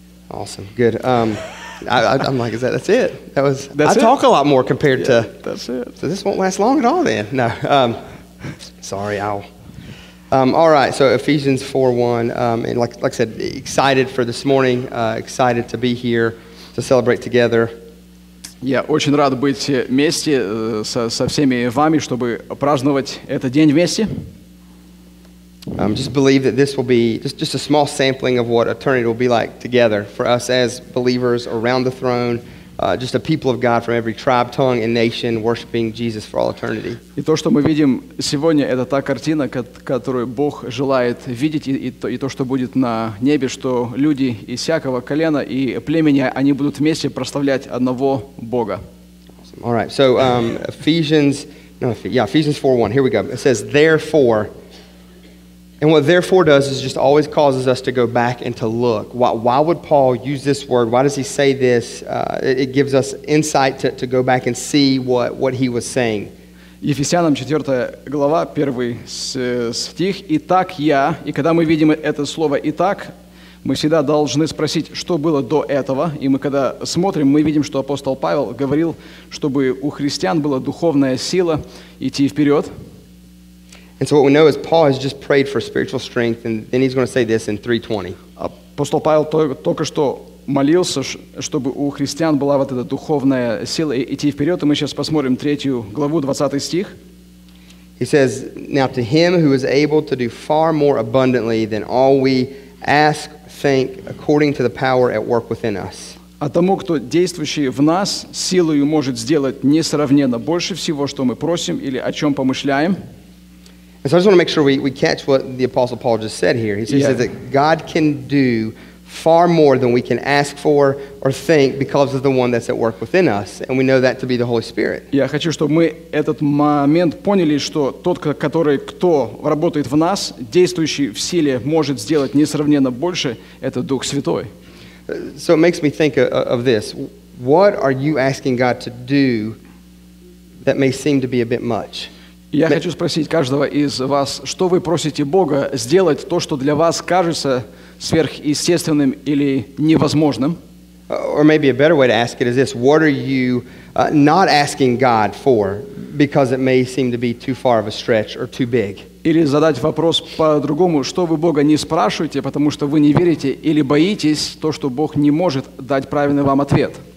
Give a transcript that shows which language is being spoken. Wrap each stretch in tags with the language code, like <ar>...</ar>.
<en>Awesome. Good. I'm like, is that, that's it? That was, that's I it. Talk a lot more compared yeah, to, that's it. So this won't last long at all then. No. Sorry, I'll. All right, so Ephesians 4, 1. And like I said, excited for this morning, excited to be here to celebrate together.</en> <ru>Я очень рад быть вместе со всеми вами, чтобы праздновать этот день вместе.</ru> <en>Just believe that this will be just a small sampling of what eternity will be like together for us as believers around the throne, just a people of God from every tribe, tongue, and nation worshiping Jesus for all eternity.</en> <ru>И то, что мы видим сегодня, это та картина, которую Бог желает видеть, и то, что будет на небе, что люди из всякого колена и племени, они будут вместе прославлять одного Бога.</ru> <en>Awesome. All right, so Ephesians 4:1. Here we go. It says, therefore. And what therefore does is just always causes us to go back and to look. Why would Paul use this word? Why does he say this? It gives us insight to go back and see what he was saying.</en> <ru>Ефесянам 4 глава, 1 стих. Итак, я, и когда мы видим это слово «итак», мы всегда должны спросить, что было до этого. И мы когда смотрим, мы видим, что апостол Павел говорил, чтобы у христиан была духовная сила идти вперед.</ru> <en>And so what we know is Paul has just prayed for spiritual strength, and then he's going to say this in 3:20.</en> <ru>Апостол Павел только что молился, чтобы у христиан была вот эта духовная сила идти вперед, и мы сейчас посмотрим 3 главу, 20 стих.</ru> <en>He says, now to him who is able to do far more abundantly than all we ask, think, according to the power at work within us.</en> <ru>А тому, кто действующий в нас, силою может сделать несравненно больше всего, что мы просим или о чем помышляем.</ru> <en>And so I just want to make sure we catch what the Apostle Paul just said here. He says that God can do far more than we can ask for or think because of the one that's at work within us. And we know that to be the Holy Spirit.</en> <ru>Я хочу, чтобы мы этот момент поняли, что тот, который, кто работает в нас, действующий в силе, может сделать несравненно больше, это Дух Святой.</ru> <en>So it makes me think of this. What are you asking God to do that may seem to be a bit much?</en> <ru>Я хочу спросить каждого из вас, что вы просите Бога сделать то, что для вас кажется сверхъестественным или невозможным?</ru> <en>Or maybe a better way to ask it is this: what are you not asking God for because it may seem to be too far of a stretch or too big?</en> <ru>Или задать вопрос по-другому: что вы Бога не спрашиваете, потому что вы не верите или боитесь то, что Бог не может дать правильный вам ответ?</ru>